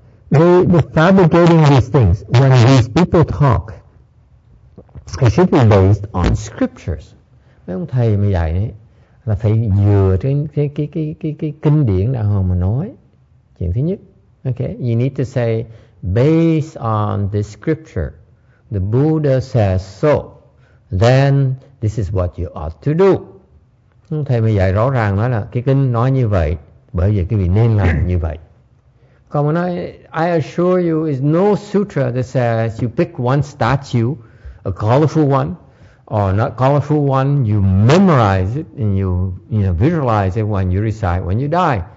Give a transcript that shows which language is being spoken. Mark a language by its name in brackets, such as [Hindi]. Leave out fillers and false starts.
[English] The fabricating these things, when these people talk, it should be based on scriptures. [Vietnamese] Mấy ông thầy mà dạy ấy, là phải dựa trên cái kinh điển đạo hồn mà nói. Chuyện thứ nhất, [English] okay, you need to say based on the scripture, the Buddha says so, then this is what you ought to do. [Vietnamese] Ông thầy mà dạy rõ ràng nói là cái kinh nói như vậy, bởi vì cái vị nên làm như vậy. Còn mà nói, [English] I assure you, is no sutra that says you pick one statue, a colorful one, or not colorful one, you memorize it, and you visualize it when you recite, when you die.